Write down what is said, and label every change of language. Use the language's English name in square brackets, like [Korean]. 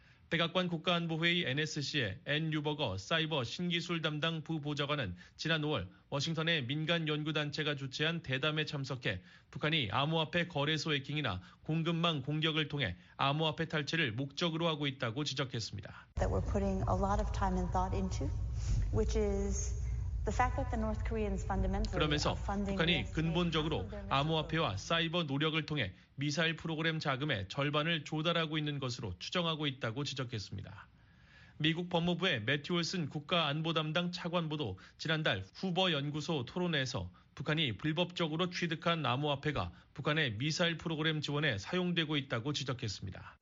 [Korean] 백악관 국가안보회의 NSC의 앤 유버거 사이버 신기술 담당 부보좌관은 지난 5월 워싱턴의 민간연구단체가 주최한 대담에 참석해 북한이 암호화폐 거래소 해킹이나 공급망 공격을 통해 암호화폐 탈취를 목적으로 하고 있다고 지적했습니다. [English] That we're putting a lot of time and thought into, which is the fact that the North Koreans fundamentally [Korean] 그러면서 북한이 근본적으로 암호화폐와 사이버 노력을 통해 미사일 프로그램 자금의 절반을 조달하고 있는 것으로 추정하고 있다고 지적했습니다. 미국 법무부의 매튜 올슨 국가안보담당 차관보도 지난달 후버 연구소 토론회에서 북한이 불법적으로 취득한 암호화폐가 북한의 미사일 프로그램 지원에 사용되고 있다고 지적했습니다.